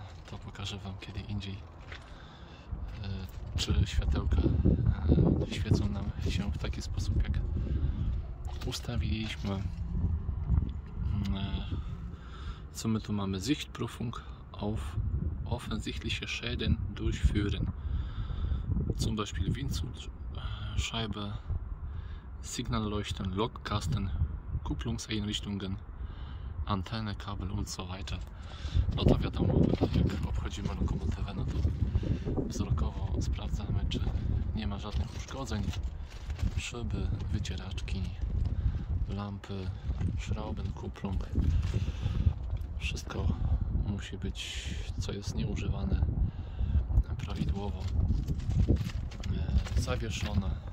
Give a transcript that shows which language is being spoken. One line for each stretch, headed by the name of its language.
Polish: To pokażę wam kiedy indziej, czy światełka świecą nam się w taki sposób, jak ustawiliśmy. Co my tu mamy?
German: Sichtprüfung auf offensichtliche Schäden durchführen. Zum Beispiel Windschutzscheibe, Signalleuchten, Lokkasten, Kupplungseinrichtungen, Antenne, Kabel und so weiter.
Polish: No to wiadomo, jak obchodzimy lokomotywę, no to wzrokowo sprawdzamy, czy nie ma żadnych uszkodzeń. Szyby, wycieraczki, lampy, schrauben, Kupplung. Wszystko musi być, co jest nieużywane, prawidłowo zawieszone.